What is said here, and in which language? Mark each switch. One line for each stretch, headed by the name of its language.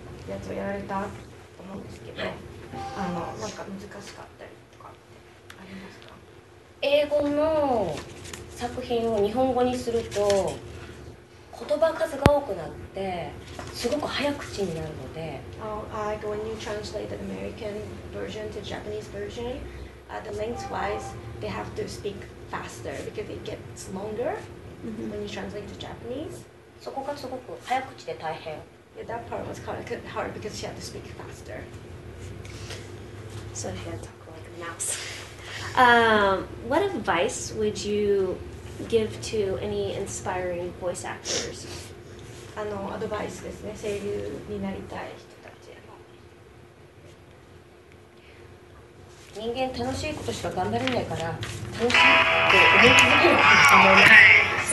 Japanese: やつをやられたと思うんですけど、あのなんか難しかったりとかありますか？英語の作品を日本語にすると言葉数が多くなってすごく早口になるので、
English: like when you translate the American version to Japanese version, the lengthwise they have to speak faster because it gets longer when you translate to Japanese.
Japanese: そこがすごく早口で大変。
English: Yeah, that part was kind of hard because she had to speak faster. So she had to talk like a mouse. What advice would you give to any inspiring voice actors?
Japanese: あのアドバイスですね、声優になりたい人たちへの。人間楽しいことしか頑張れないから、楽しいって思い続けることだと思います。